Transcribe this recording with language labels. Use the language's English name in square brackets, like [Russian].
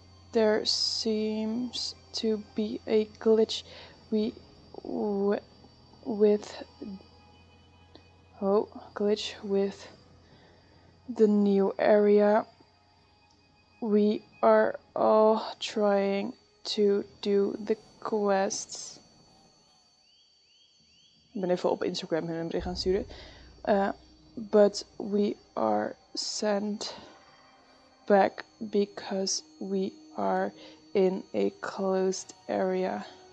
[English] There seems to be a glitch with the new area. We are all trying to do the quests. [Dutch] Ik ben even op Instagram hun een bericht aan sturen. [English] But we are sent back because we are in a closed area.